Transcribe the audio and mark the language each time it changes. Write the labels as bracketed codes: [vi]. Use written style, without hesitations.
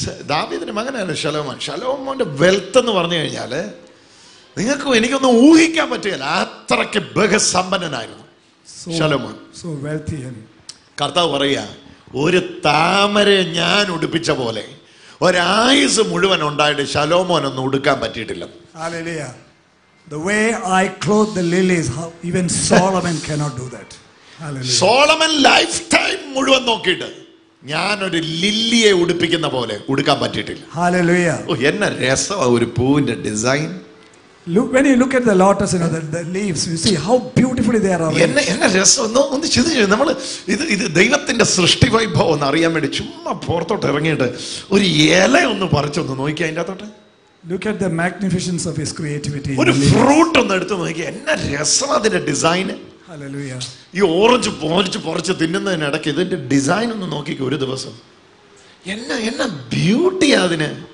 [ml] ദാവീദിന്റെ മകനാണ് ശലോമോൻ. ശലോമോന്റെ വെൽത്ത് എന്ന് പറഞ്ഞു കഴിഞ്ഞാല് നിങ്ങൾക്കും എനിക്കൊന്നും ഊഹിക്കാൻ പറ്റുകയില്ല, അത്രക്ക് ബഹുസമ്പന്നനായിരുന്നു ശലോമോൻ. കർത്താവ് പറയുക, ഒരു താമരെ ഞാൻ ഉടുപ്പിച്ച പോലെ ഒരായുസ് മുഴുവൻ ഉണ്ടായിട്ട് ശലോമോൻ ഒന്നും ഉടുക്കാൻ പറ്റിയിട്ടില്ല. [en] Hallelujah. The way I clothe the lilies, even Solomon cannot do that. Hallelujah. [ml] Solomon lifetime മുഴുവൻ നോക്കിയിട്ട് ഞാൻ ഒരു ലില്ലിയെ ഉടുപ്പിക്കുന്ന പോലെ ഉടുക്കാൻ പറ്റിയിട്ടില്ല. [en] Hallelujah. [ml] എന്ന രസമാണ് ഒരു പൂവിന്റെ design. [en] When you look at the lotus, you know, the leaves, you see how beautifully they are arranged. [ml] എന്ന രസം ഒന്ന് ചിന്തിച്ചു. നമ്മൾ ഇത് ദൈവത്തിന്റെ സൃഷ്ടി വൈഭവം ഒന്ന് അറിയാൻ വേണ്ടി ചുമ്മാ പുറത്തോട്ട് ഇറങ്ങിയിട്ട് ഒരു ഇല ഒന്ന് പറിച്ചൊന്ന് നോക്കി അതിന്റെ അകത്തോട്ട്. [en] Look at the magnificence of his creativity. [ml] ഒരു ഫ്രൂട്ട് ഒന്ന് എടുത്തു നോക്കി, എന്ന രസം അതിന്റെ ഡിസൈൻ. [en] Hallelujah. [ml] ഈ ഓറഞ്ച് പോരിച്ച് പറിച്ച് തിന്നുന്നതിന് ഇടയ്ക്ക് ഇതിന്റെ ഡിസൈൻ ഒന്ന് നോക്കി ഒരു ദിവസം, എന്ന ബ്യൂട്ടിയാ അതിന്.